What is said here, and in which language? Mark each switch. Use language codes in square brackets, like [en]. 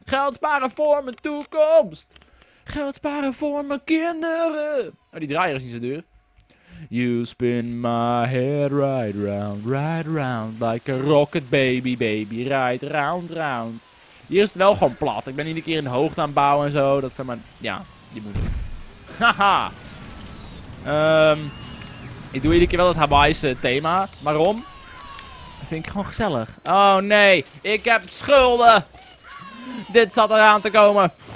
[nl] Geld sparen voor mijn toekomst. Geld sparen voor mijn kinderen. Oh, die draaier is niet zo duur. [en] You spin my head right round, like a rocket baby, baby, right round, round. [nl] Hier is het wel gewoon plat. Ik ben iedere keer in de hoogte aan het bouwen en zo. Dat zijn maar, ja, je moet. Haha. Ik doe iedere keer wel het Hawaïse thema. Waarom? Dat vind ik gewoon gezellig. Oh nee, ik heb schulden. Dit zat eraan te komen.